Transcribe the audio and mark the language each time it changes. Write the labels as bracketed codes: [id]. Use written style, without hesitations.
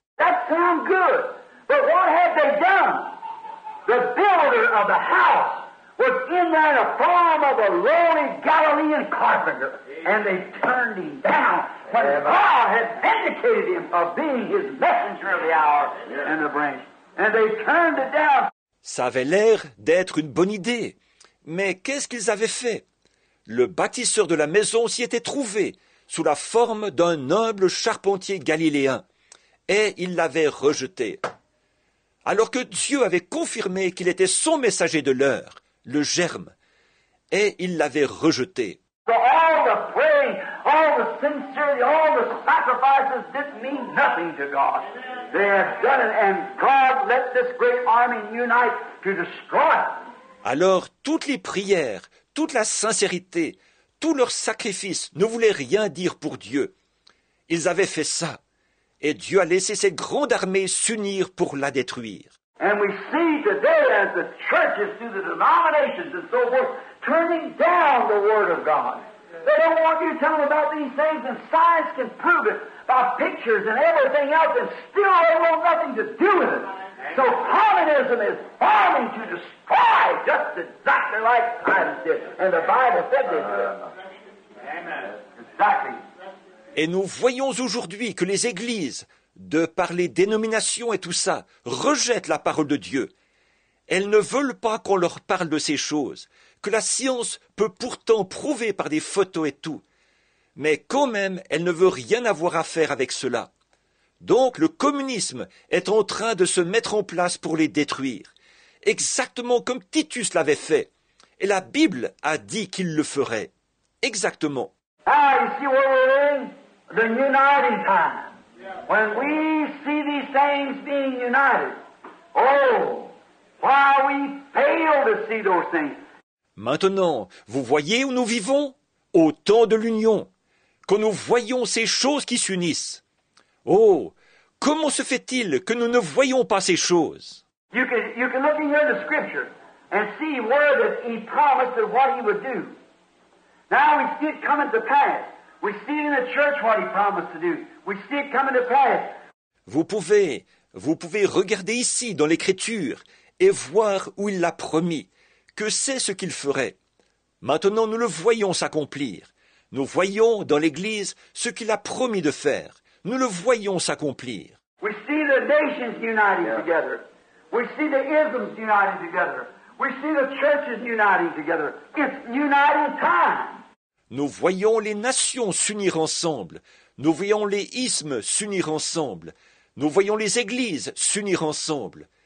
[en] That sounds good, but what had they done? The builder of the house was in there in the form of a lowly Galilean carpenter, and they turned him down. But God had vindicated him of being his messenger of the hour in the branch, and they turned it down. [fr] Ça avait l'air d'être une bonne idée, mais qu'est-ce qu'ils avaient fait? Le bâtisseur de la maison s'y était trouvé sous la forme d'un humble charpentier galiléen et il l'avait rejeté. Alors que Dieu avait confirmé qu'il était son messager de l'heure, le germe, et il l'avait rejeté. [en] So all the praying, all the sincerity, all the sacrifices didn't mean nothing to God. They had done it and God let this great army unite to destroy it. [fr] Alors toutes les prières, toute la sincérité, tout leur sacrifice ne voulait rien dire pour Dieu. Ils avaient fait ça, et Dieu a laissé cette grande armée s'unir pour la détruire. [en] And we see today as the churches through the denominations and so forth turning down the word of God. They don't want you telling about these things, and science can prove it by pictures and everything else, and still they want nothing to do with it. So communism is bombing to destroy just exactly like Titus did. And the Bible said this. Amen. Exactly. [fr] Et nous voyons aujourd'hui que les églises, de par les dénominations et tout ça, rejettent la parole de Dieu. Elles ne veulent pas qu'on leur parle de ces choses, que la science peut pourtant prouver par des photos et tout. Mais quand même, elle ne veut rien avoir à faire avec cela. Donc, le communisme est en train de se mettre en place pour les détruire, exactement comme Titus l'avait fait. Et la Bible a dit qu'il le ferait. Exactement. [en] Ah, you see where we're in? The uniting time. When we see these things being united, oh, why we fail to see those things. [fr] Maintenant, vous voyez où nous vivons? Au temps de l'union. Quand nous voyons ces choses qui s'unissent. Oh, comment se fait-il que nous ne voyons pas ces choses? [en] You can look in here in the scripture. and see where that he promised and what he would do. Now we see it coming to pass. We see in the church what he promised to do. We see it coming to pass. [fr] Vous pouvez regarder ici dans l'Écriture et voir où il l'a promis, que c'est ce qu'il ferait. Maintenant, nous le voyons s'accomplir. Nous voyons dans l'Église ce qu'il a promis de faire. Nous le voyons s'accomplir. [en] We see the nations uniting together. We see the isms uniting together. We see the churches uniting together. It's uniting time. [fr] Nous voyons les nations s'unir ensemble. Nous voyons les ismes s'unir ensemble. Nous voyons les églises s'unir ensemble.